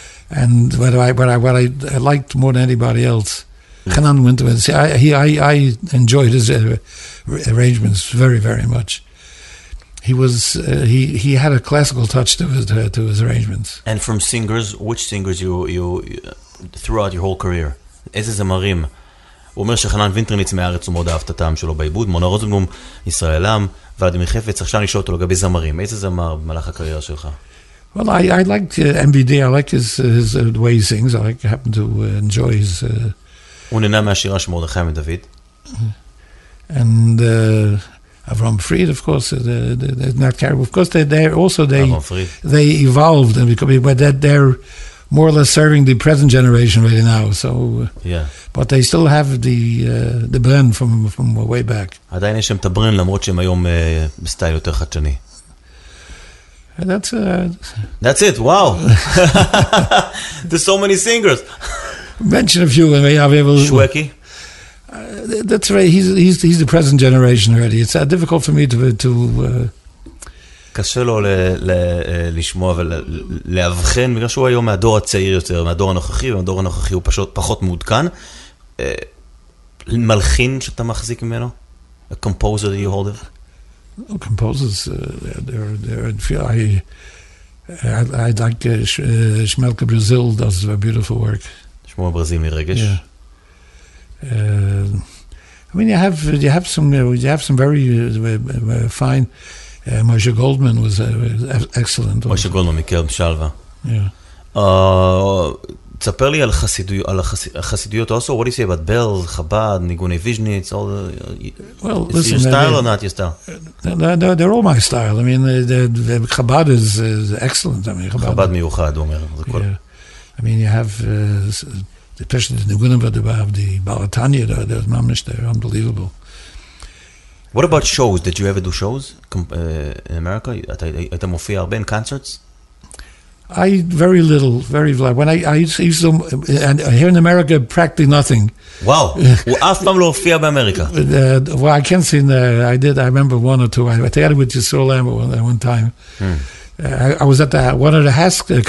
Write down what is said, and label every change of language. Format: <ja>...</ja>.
<en>And what I liked more than anybody else, Hanan went to it. See, I enjoyed his arrangements very, very much. He had a classical touch to his arrangements. And from singers, which singers you throughout your whole career?</en> <he>איזה זמרים? הוא אומר שחנן וינטרניץ מארץ ומאוד אהבת הטעם שלו בעיבוד, מונה רוזנבלום, ישראל עם, ולדימיר חפץ, עכשיו אני שואל אותו לגבי זמרים. איזה זמר במהלך הקריירה שלך?</he> <en>Well, I like MBD, I like his way he sings, I happen to enjoy his...</en> <he>הוא נהנה מהשירה של מרדכי מדוד.</he> <en>And... Avram Fried, of course, they're not terrible. Of course, they evolved, and they're more or less serving the present generation right now. So, yeah, but they still have the brand from way back.</en> <he>עדיין יש להם את הברן, למרות שהם היום בסטייל יותר חדשני.</he> <en>That's it. Wow, there's so many singers. Mention a few, and I'll be able to. Shweki. That's right, he's the present generation already. It's difficult for me to</en> <he>קשה לו לשמוע ולהבחן, בגלל שהוא היום מהדור הצעיר יותר, מהדור הנוכחי, ומהדור הנוכחי הוא פחות מעודכן. מלחין שאתה מחזיק ממנו?</he> <en>A composer that you hold of? Composers, they're I like Shmelke Brazil does a beautiful work. Shmuel Brazil Miregesh. Yeah. I mean, you have some very fine. Moshe Goldman was excellent. Moshe Goldman, Mikel Shalva. Yeah.</en> <he>תספר לי על החסידויות</he> <en>also. What do you say about Bells, Chabad, Niguni Vizhnitz? All the, well, is listen, your style or not your style? They're all my style. I mean, the Chabad is excellent. I mean,</en> <he>Chabad miyuchad, אומר.</he> <en>Yeah. I mean, you have especially the Niguni Vizhnitz, the Balatanya, they're mamish, they're unbelievable. What about shows? Did you ever do shows in America?</en> <he>אתה מופיע הרבה</he> <en>in concerts? I very little, very little. When I used to, and here in America, practically nothing. Wow. Well,</en> <he>אף פעם לא הופיע באמריקה.</he> <en>Well, I can't see that. I did, I remember one or two. I think I had it with Yisrael Lambo one time. I was at the, one of the Hask concerts.</en>